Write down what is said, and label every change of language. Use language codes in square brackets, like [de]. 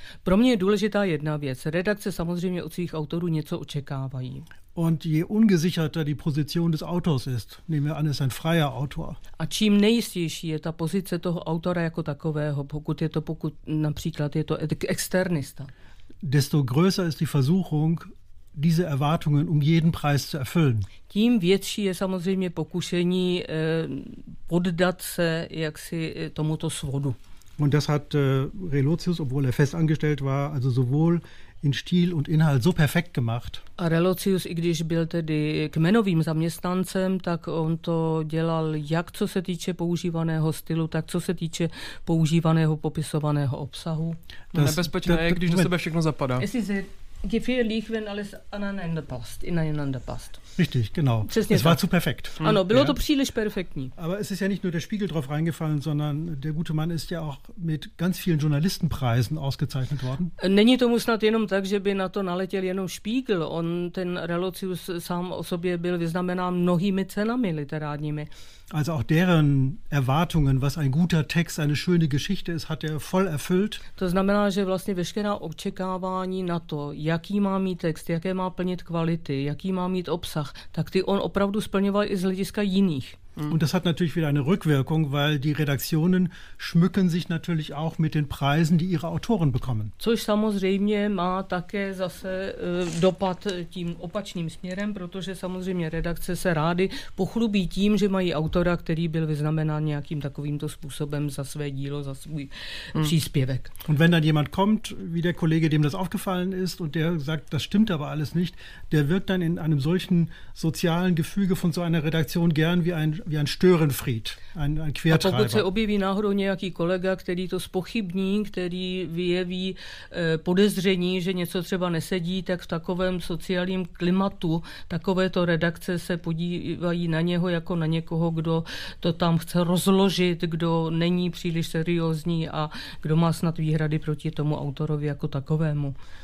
[cs] Pro mě je důležitá jedna věc. Redakce samozřejmě od svých autorů něco očekávají. [de] Und je ungesicherter die Position des Autors ist, nehmen wir an, ist ein freier Autor. [cs] A čím nejistější je ta pozice toho autora jako takového, pokud například je to externista. [de] Desto größer ist die Versuchung, diese Erwartungen um jeden Preis zu erfüllen. [cs] Tím větší je samozřejmě pokušení poddat se jaksi tomuto svodu. [de] Und das hat Relotius, obwohl er fest angestellt war, also sowohl in Stil und Inhalt so perfekt gemacht. [cs] A Relotius, i když byl tedy kmenovým zaměstnancem, tak on to dělal jak co se týče používaného stylu, tak co se týče používaného popisovaného obsahu. [de] Das, [cs] nebezpečné je, když do sebe všechno zapadá. [de] Gefährlich, wenn alles aneinander passt, ineinander passt. Richtig, genau. [cs] Přesně [de] es war zu perfekt. [cs] Ano, bylo to příliš perfektní. [de] Aber es ist ja nicht nur der Spiegel drauf reingefallen, sondern der gute Mann ist ja auch mit ganz vielen Journalistenpreisen ausgezeichnet worden. [cs] Není tomu snad jenom tak, že by na to naletěl jenom Spiegel. On, ten Relotius, sám o sobě byl vyznamenán mnohými cenami literárními. [de] Also auch deren Erwartungen, was ein guter Text, eine schöne Geschichte ist, hat er voll erfüllt. [cs] To znamená, že vlastně veškerá očekávání na to, jaký má mít text, jaké má plnit kvality, jaký má mít obsah, tak ty on opravdu splňoval i z hlediska jiných. [de] Und das hat natürlich wieder eine Rückwirkung, weil die Redaktionen schmücken sich natürlich auch mit den Preisen, die ihre Autoren bekommen. [cs] Což samozřejmě má také zase dopad tím opačným směrem, protože samozřejmě redakce se rády pochlubí tím, že mají autora, který byl vyznamenán nějakým takovýmto způsobem za své dílo, za svůj příspěvek. [de] Und wenn dann jemand kommt, wie der Kollege, dem das aufgefallen ist und der sagt, das stimmt aber alles nicht, der wirkt dann in einem solchen sozialen Gefüge von so einer Redaktion gern wie ein Störenfried, ein Quertreiber. [cs] A pokud se objeví náhodou nějaký kolega, který to spochybní, který vyjeví podezření, že něco třeba nesedí, tak v takovém sociálním klimatu takovéto redakce se podívají na něho jako na někoho, kdo to tam chce rozložit, kdo není příliš seriózní a kdo má snad výhrady proti tomu autorovi jako takovému.